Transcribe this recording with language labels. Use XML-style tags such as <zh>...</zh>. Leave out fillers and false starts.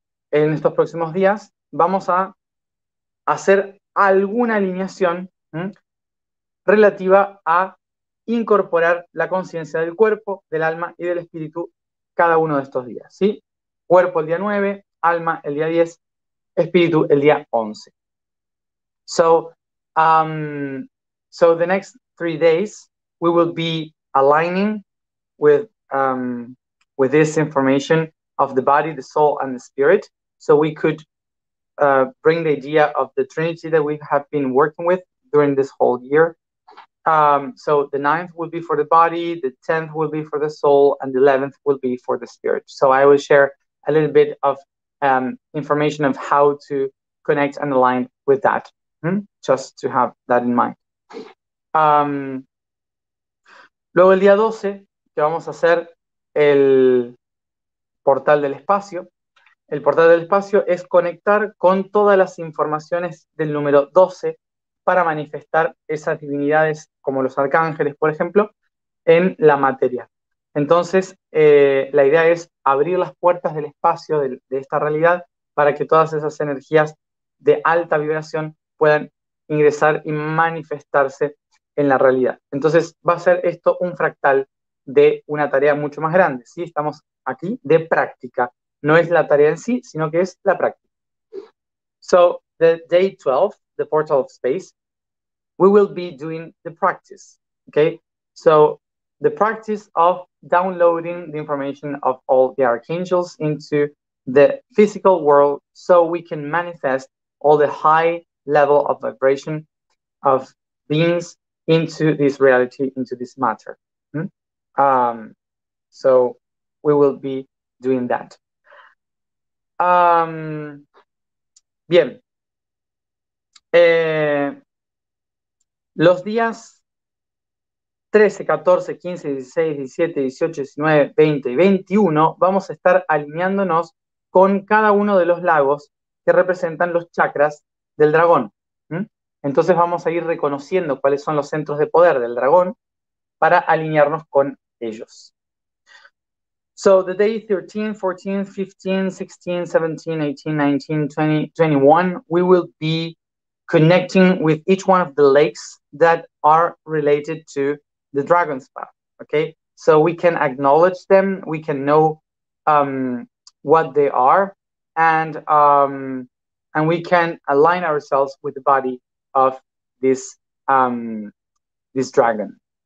<es>en estos próximos días vamos a hacer alguna alineación relativa a incorporar la conciencia del cuerpo, del alma y del espíritu cada uno de estos días, ¿sí? Cuerpo el día 9, alma el día 10, espíritu el día 11.</es> <en>So the next 3 days we will be aligning with this information of the body, the soul and the spirit, so we could bring the idea of the Trinity that we have been working with during this whole year. So the 9th will be for the body, the 10th will be for the soul, and the 11th will be for the spirit. So I will share a little bit of information of how to connect and align with that, just to have that in mind.</en> <es>Luego el día 12, que vamos a hacer el portal del espacio. El portal del espacio es conectar con todas las informaciones del número 12 para manifestar esas divinidades como los arcángeles, por ejemplo, en la materia. Entonces, la idea es abrir las puertas del espacio, de esta realidad, para que todas esas energías de alta vibración puedan ingresar y manifestarse en la realidad. Entonces, va a ser esto un fractal de una tarea mucho más grande, ¿sí? Estamos aquí de práctica. No es la tarea en sí, sino que es la práctica.</es> <en>So, the day 12, the portal of space, we will be doing the practice, okay? So, the practice of downloading the information of all the archangels into the physical world so we can manifest all the high level of vibration of beings into this reality, into this matter. So, we will be doing that.</en> <es>Bien, los días 13, 14, 15, 16, 17, 18, 19, 20 y 21 vamos a estar alineándonos con cada uno de los lagos que representan los chakras del dragón. Entonces vamos a ir reconociendo cuáles son los centros de poder del dragón para alinearnos con ellos.</es> <en>So the day 13, 14, 15, 16, 17, 18, 19, 20, 21, we will be connecting with each one of the lakes that are related to the dragon's path, okay? So we can acknowledge them, we can know what they are, and we can align ourselves with the body of this this dragon.</en>